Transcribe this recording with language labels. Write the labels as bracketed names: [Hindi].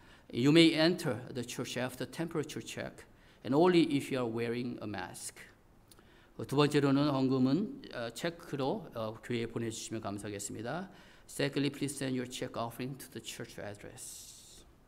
[English] You may enter the church after temperature check and only if you are wearing a mask. [Korean] 두 번째로는 헌금은 체크로 교회에 보내주시면 감사하겠습니다. [English] Secondly, please send your check offering to the church address.